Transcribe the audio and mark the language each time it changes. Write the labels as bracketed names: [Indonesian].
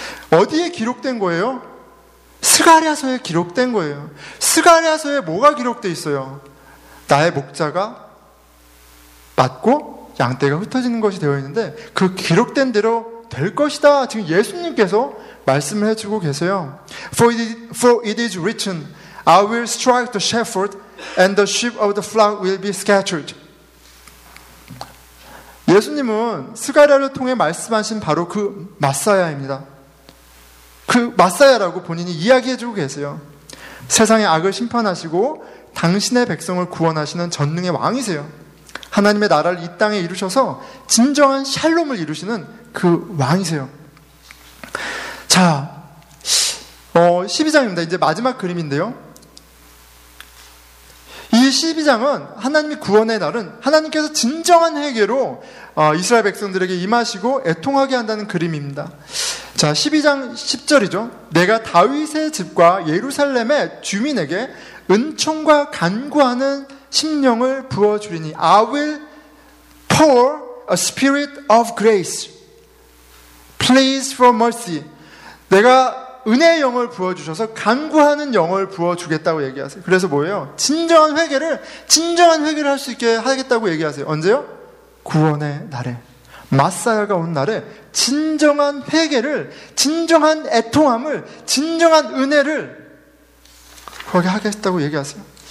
[Korean] 어디에 기록된 거예요? 스가랴서에 기록된 거예요. 스가랴서에 뭐가 기록되어 있어요? 나의 목자가 맞고 양 떼가 흩어지는 것이 되어 있는데 그 기록된 대로 될 것이다. 지금 예수님께서 말씀을 해주고 계세요. [English] For it is written, I will strike the shepherd and the sheep of the flock will be scattered. [Korean] 예수님은 스가랴를 통해 말씀하신 바로 그 마사야입니다. 그 마사야라고 본인이 이야기해주고 계세요. 세상의 악을 심판하시고 당신의 백성을 구원하시는 전능의 왕이세요. 하나님의 나라를 이 땅에 이루셔서 진정한 샬롬을 이루시는 그 왕이세요. 자, 12장입니다. 이제 마지막 그림인데요. 이 12장은 하나님이 구원의 날은 하나님께서 진정한 회개로 이스라엘 백성들에게 임하시고 애통하게 한다는 그림입니다. 자, 12장 10절이죠. 내가 다윗의 집과 예루살렘의 주민에게 은총과 간구하는 심령을 부어주리니 [English] I will pour a spirit of grace. Please for mercy. [Korean] 내가 은혜의 영을 부어주셔서 간구하는 영을 부어주겠다고 얘기하세요. 그래서 뭐예요? 진정한 회개를 할 수 있게 하겠다고 얘기하세요. 언제요? 구원의 날에. 마사야가 온 날에 진정한 회개를, 진정한 애통함을, 진정한 은혜를 거기 하겠다고 얘기하세요.